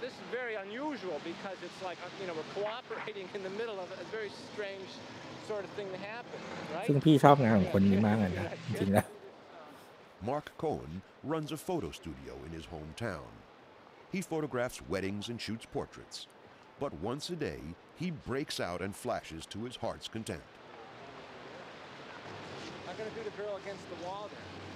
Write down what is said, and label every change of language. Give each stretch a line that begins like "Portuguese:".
English: But this is very unusual because it's like, you know, we're cooperating in the middle of a very strange sort of thing to happen, right?
Thai: ซึ่งพี่ชอบงานของคนนี้มากเลยนะจริงๆนะ
English: Mark Cohen runs a photo studio in his hometown. He photographs weddings and shoots portraits. But once a day, he breaks out and flashes to his heart's content. I'm going to do the girl against the wall there.